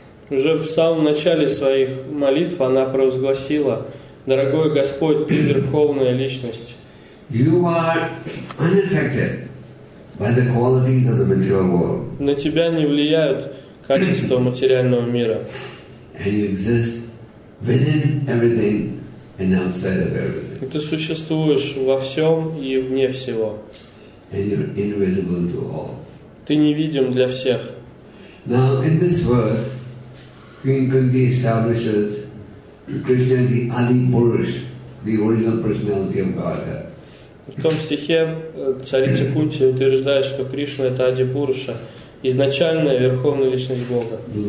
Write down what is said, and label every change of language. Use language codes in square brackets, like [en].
[ru] Уже в самом начале своих молитв она провозгласила: «Дорогой Господь, Ты — Верховная Личность». [en] By the qualities of the material world. [ru] На тебя не влияют качества материального мира. [en] And you exist within everything and outside of everything. [ru] И ты существуешь во всем и вне всего. [en] And you're invisible to all. [ru] Ты невидим для всех. [en] Now, in this verse, Queen Kunti establishes Krishna as the Adi Purush, the original personality of Godhead. [ru] В том стихе царица Кунти утверждает, что Кришна — это Ади Пуруша, изначальная Верховная Личность Бога.